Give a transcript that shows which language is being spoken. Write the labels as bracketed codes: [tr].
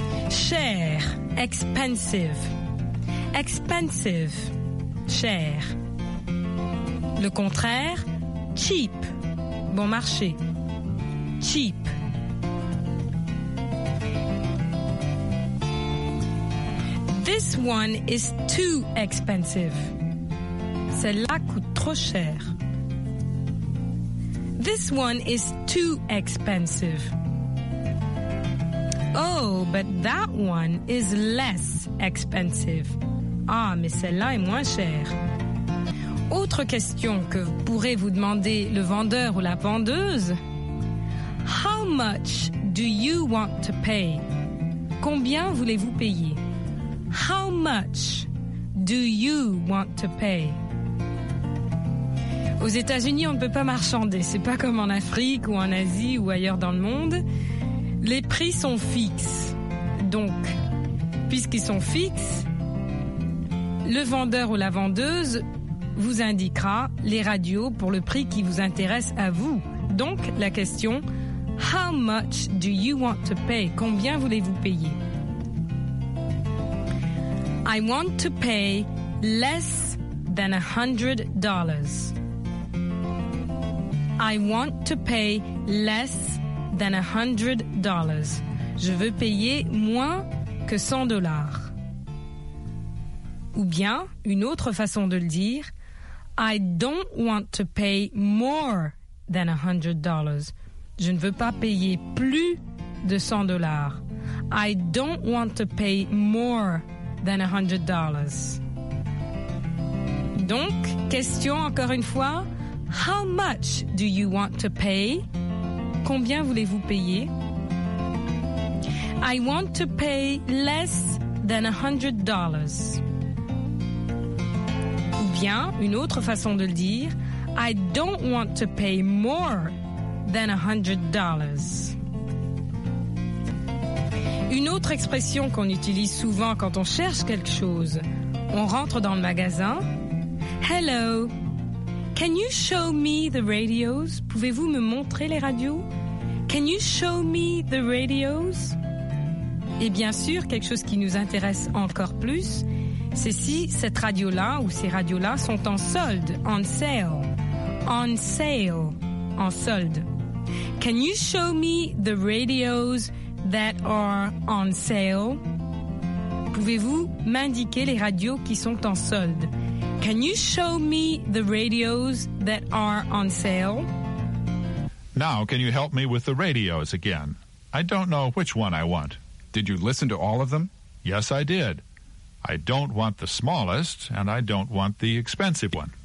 [fr] Cher. Expensive. expensive, cher. Le contraire, cheap, bon marché, cheap. [en] This one is too expensive. [fr] Celle-là coûte trop cher. [en] This one is too expensive. Oh, but that one is less expensive. [fr] Ah, mais celle-là est moins chère. Autre question que pourrait vous demander le vendeur ou la vendeuse. [en] How much do you want to pay? [fr] Combien voulez-vous payer? [en] How much do you want to pay? [fr] Aux États-Unis, on ne peut pas marchander. C'est pas comme en Afrique ou en Asie ou ailleurs dans le monde. Les prix sont fixes. Donc, puisqu'ils sont fixes, le vendeur ou la vendeuse vous indiquera les radios pour le prix qui vous intéresse à vous. Donc, la question, [en] how much do you want to pay? [fr] Combien voulez-vous payer? [en] I want to pay less than $100. I want to pay less than $100. [fr] Je veux payer moins que $100. Ou bien, une autre façon de le dire, [en] I don't want to pay more than $100. [fr] Je ne veux pas payer plus de $100. [en] I don't want to pay more than $100. [fr] Donc, question encore une fois, [en] how much do you want to pay? [fr] Combien voulez-vous payer? [en] I want to pay less than $100. [fr] Ou bien, une autre façon de le dire, [en] I don't want to pay more than $100. [fr] Une autre expression qu'on utilise souvent quand on cherche quelque chose, on rentre dans le magasin. [en] Hello, can you show me the radios? [fr] Pouvez-vous me montrer les radios? [en] Can you show me the radios? [fr] Et bien sûr, quelque chose qui nous intéresse encore plus, c'est si cette radio-là ou ces radios-là sont en solde, on sale. On sale, en solde. [en] Can you show me the radios that are on sale? [fr] Pouvez-vous m'indiquer les radios qui sont en solde? [en] Can you show me the radios that are on sale? Now, can you help me with the radios again? I don't know which one I want. Did you listen to all of them? Yes, I did. I don't want the smallest, and I don't want the expensive one.